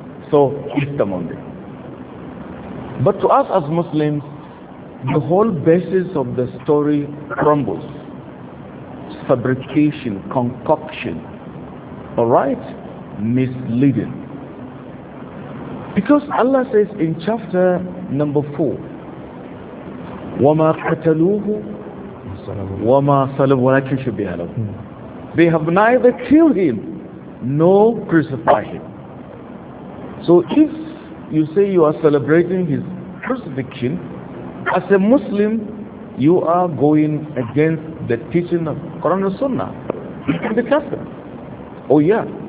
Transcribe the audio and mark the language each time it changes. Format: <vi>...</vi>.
<en>So Easter Monday. But to us as Muslims, the whole basis of the story crumbles. Fabrication, concoction, all right? Misleading. Because Allah says in chapter number 4,</en> <ar>وَمَا قَتَلُوهُ وَمَا صَلَبُوا وَلَكِنْ شُبِّهَ لَهُ.</ar> <en>They have neither killed him nor crucified him. So if you say you are celebrating his crucifixion, as a Muslim, you are going against the teaching of Quran and Sunnah in the custom. Oh yeah.</en>